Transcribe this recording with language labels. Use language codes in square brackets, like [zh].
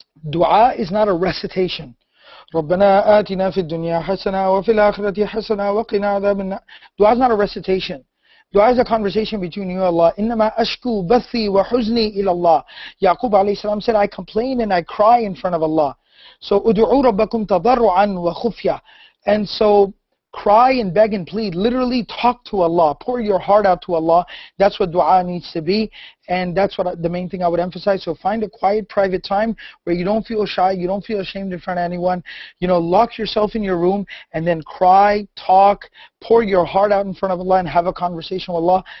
[en] Dua is not a recitation. [ar] رَبَّنَا آتِنَا فِي الدُّنْيَا حَسَنَا وَفِي الْآخِرَةِ حَسَنَا وَقِنَا عَذَابَ النَّارِ. [en] Dua is not a recitation. Dua is a conversation between you and Allah. [ar] إِنَّمَا أَشْكُو بَثِّي وَحُزْنِي إِلَى اللَّهِ. [en] Yaqub ﷺ said, I complain and I cry in front of Allah. [ar] So ادعوا ربكم تضرعا وخفيا. [en] And so cry and beg and plead. Literally talk to Allah. Pour your heart out to Allah. That's what dua needs to be. And that's what the main thing I would emphasize. So find a quiet, private time where you don't feel shy, you don't feel ashamed in front of anyone. You know, lock yourself in your room and then cry, talk, pour your heart out in front of Allah and have a conversation with Allah.